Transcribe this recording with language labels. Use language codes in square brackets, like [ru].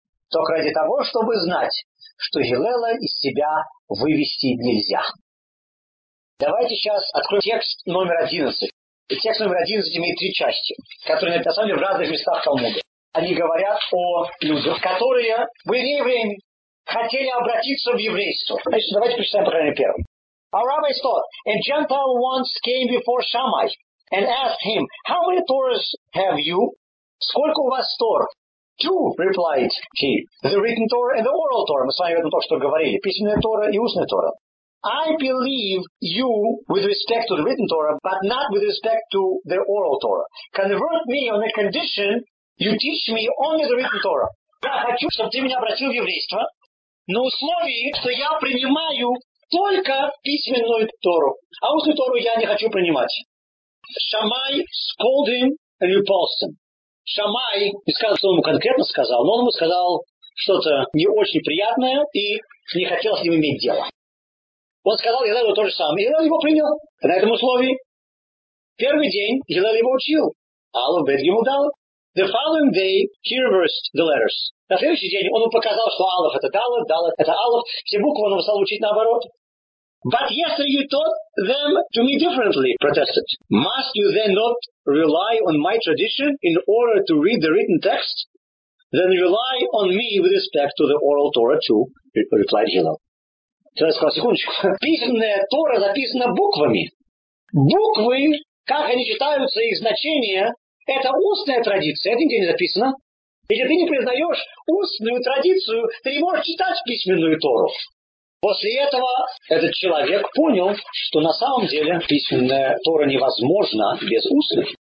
[ru] Только ради того, чтобы знать, что Хиллела из себя вывести нельзя. Давайте сейчас откроем текст номер 11. И текст номер 11 имеет три части, которые на самом деле в разных местах Талмуда. Они говорят о людях, которые были евреями, хотели обратиться в еврейство. Значит, давайте прочитаем правильно первым. [en] Our rabbis thought, a Gentile once came before Shammai and asked him, how many Torahs have you? [ru] Сколько у вас Тор? [en] Two, replied he. The written Torah and the oral Torah. [ru] Мы с вами об этом только что говорили. Письменная Тора и устная Тора. [en] I believe you with respect to the written Torah, but not with respect to the oral Torah. Convert me on the condition you teach me only the written Torah. [ru] Я хочу, чтобы ты меня обратил в еврейство, на условии, что я принимаю только письменную Тору, а устную Тору я не хочу принимать. [en] Shammai scolded him and repulsed him. [ru] Shammai, не сказал, что он ему конкретно сказал, но он ему сказал что-то не очень приятное и не хотел с ним иметь дело. Он сказал Хиллелу то же самое. Хиллел его принял на этом условии. Первый день Хиллел его учил. Алло, бет ему дал. [en] The following day he reversed the letters. [ru] На следующий день он ему показал, что Алло это дало, дало это Алло. Все буквы он ему стал учить наоборот. [en] But yesterday you taught them to me differently, protested. Must you then not rely on my tradition in order to read the written text? Then rely on me with respect to the oral Torah too, replied Хиллел. [ru] Я сказал, секундочку. Письменная Тора записана буквами. Буквы, как они читаются, их значение, это устная традиция. Это нигде не записано. Если ты не признаешь устную традицию, ты не можешь читать письменную Тору. После этого этот человек понял, что на самом деле письменная Тора невозможна без устных.